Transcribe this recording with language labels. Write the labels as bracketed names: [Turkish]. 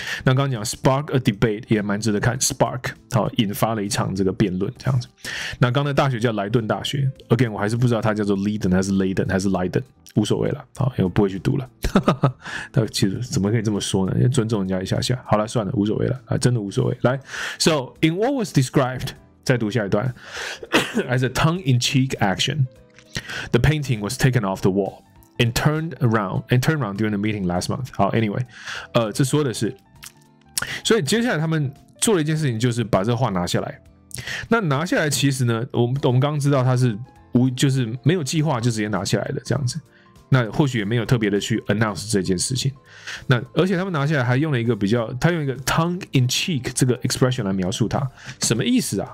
[Chinese] 那刚刚讲 [English] spark a debate [Chinese] 也蛮值得看 ，spark 好引发了一场这个辩论这样子。那刚才大学叫莱顿大学 ，again 我还是不知道它叫做 Leiden 还是 Leiden 还是 Leiden， 无所谓了，好，因为我不会去读了。哈哈，其实怎么可以这么说呢？要尊重人家一下下。好了，算了，无所谓了，真的无所谓。来 [English] ，so in what was described， [Chinese] 再读下一段， [English] as a tongue-in-cheek action，the painting was taken off the wall。 And turned around during the meeting last month. [Chinese] 好 ，Anyway， 这说的是，所以接下来他们做了一件事情，就是把这画拿下来。那拿下来，其实呢，我们刚刚知道他是无，就是没有计划就直接拿下来的这样子。那或许也没有特别的去 announce 这件事情。那而且他们拿下来还用了一个比较，他用一个 tongue in cheek 这个 expression 来描述它，什么意思啊？